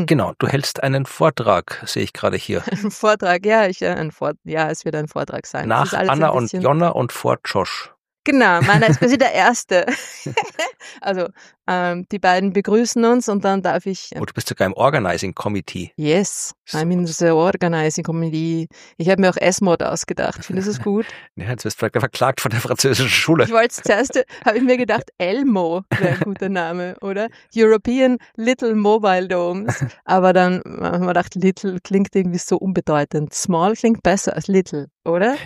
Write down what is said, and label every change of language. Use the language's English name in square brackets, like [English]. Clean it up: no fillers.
[German] Ja, genau, du hältst einen Vortrag, sehe ich gerade hier. Es wird ein Vortrag sein. Nach Anna und Jonna und vor Josh. Genau, meiner ist quasi der Erste. Also, die beiden begrüßen uns und dann darf ich... Und du bist sogar im Organizing Committee. [English] Yes, so. I'm in the Organizing Committee. [German] Ich habe mir auch S-Mod ausgedacht, findest du es gut? Ja, jetzt wirst du vielleicht verklagt von der französischen Schule. Ich wollte zuerst, habe ich mir gedacht, Elmo wäre ein guter Name, oder? European Little Mobile Domes. Aber dann haben wir gedacht, Little klingt irgendwie so unbedeutend. Small klingt besser als Little, oder?